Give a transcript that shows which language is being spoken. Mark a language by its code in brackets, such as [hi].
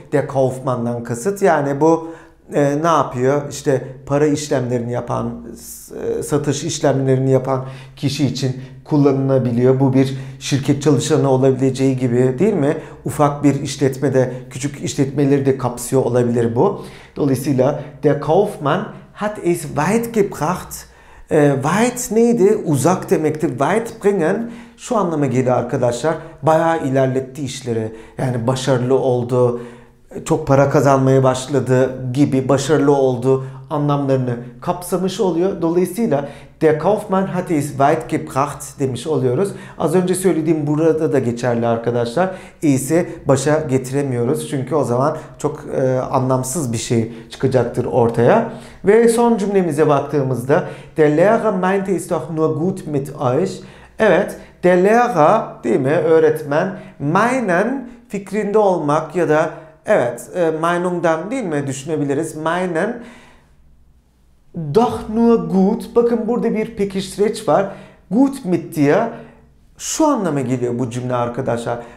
[tr] Der Kaufmann'dan kasıt. Yani bu ne yapıyor? İşte para işlemlerini yapan, satış işlemlerini yapan kişi için kullanılabiliyor. Bu bir şirket çalışanı olabileceği gibi değil mi? Ufak bir işletmede, küçük işletmeleri de kapsıyor olabilir bu. Dolayısıyla [de] der Kaufmann hat es weit gebracht. [tr] Weit neydi? Uzak demekti. Weit bringen şu anlama geliyor arkadaşlar. Bayağı ilerletti işleri. Yani başarılı oldu, çok para kazanmaya başladı gibi, başarılı oldu anlamlarını kapsamış oluyor. Dolayısıyla [de] der Kaufmann hat es weit gebracht [tr] demiş oluyoruz. Az önce söylediğim burada da geçerli arkadaşlar. İyisi başa getiremiyoruz. Çünkü o zaman çok anlamsız bir şey çıkacaktır ortaya. Ve son cümlemize baktığımızda [de] der Lehrer meinte es doch nur gut mit euch. [tr] Evet, der Lehrer değil mi, öğretmen, meinen fikrinde olmak ya da evet, meinungdan değil mi düşünebiliriz. [de] Meinen doch nur gut. [tr] Bakın burada bir pekiştireç var. Gut mit diye şu anlama geliyor bu cümle arkadaşlar.